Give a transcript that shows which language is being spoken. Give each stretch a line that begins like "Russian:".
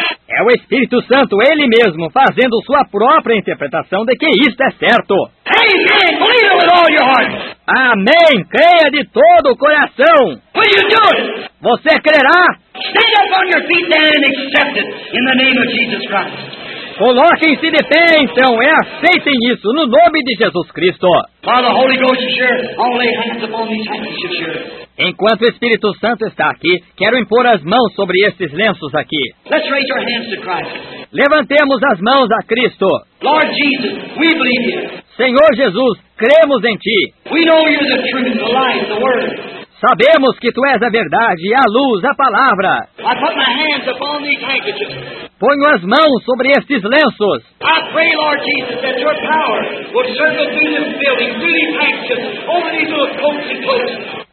Portuguese: É o Espírito Santo, ele mesmo, fazendo sua própria interpretação de que isto é certo.
English: Amen. Believe with all your heart.
Portuguese: Amém. Creia de todo o coração.
English: Will you do it?
Portuguese: Você crerá?
English: Stand up on your feet then and accept it in the name of Jesus Christ.
Portuguese: Coloquem-se de pé, então, e aceitem isso no nome de Jesus Cristo.
English: Father, Holy Ghost, sure. I'll lay hands upon these handkerchiefs, sure.
Portuguese: Enquanto o Espírito Santo está aqui, quero impor as mãos sobre esses lenços aqui.
English: Let's raise our hands to Christ.
Portuguese: Levantemos as mãos a Cristo.
English: Lord Jesus, we believe you.
Portuguese: Senhor Jesus, cremos em Ti.
English: We know you're the truth, the life, the word.
Portuguese: Sabemos que tu és a verdade, a luz, a palavra.
English: I put my hands upon these handkerchiefs.
Portuguese: Ponho as mãos sobre estes lenços.
English: I pray, Lord Jesus, that your power will circle through this building, through these handkerchiefs, over these little coats and cloaks.